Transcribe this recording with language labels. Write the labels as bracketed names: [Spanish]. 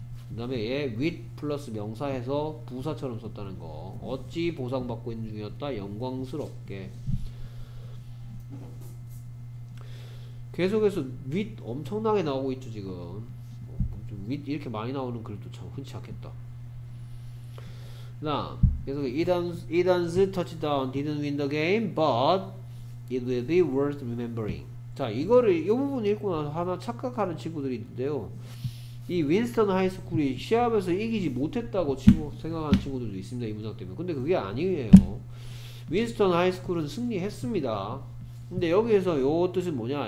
[Korean] 그 다음에 얘 with 플러스 명사해서 부사처럼 썼다는 거. 어찌 보상받고 있는 중이었다. 영광스럽게. 계속해서 with 엄청나게 나오고 있죠 지금. 좀 with 이렇게 많이 나오는 글도 참 흔치 않겠다. 자, 계속 [English] Edens touchdown didn't win the game, but it will be worth remembering. [Korean] 자, 이거를 이 부분 읽고 나서 하나 착각하는 친구들이 있는데요. 이 윈스턴 하이스쿨이 시합에서 이기지 못했다고 생각하는 친구들도 있습니다. 이 문장 때문에. 근데 그게 아니에요. 윈스턴 하이스쿨은 승리했습니다. 근데 여기에서 요 뜻은 뭐냐?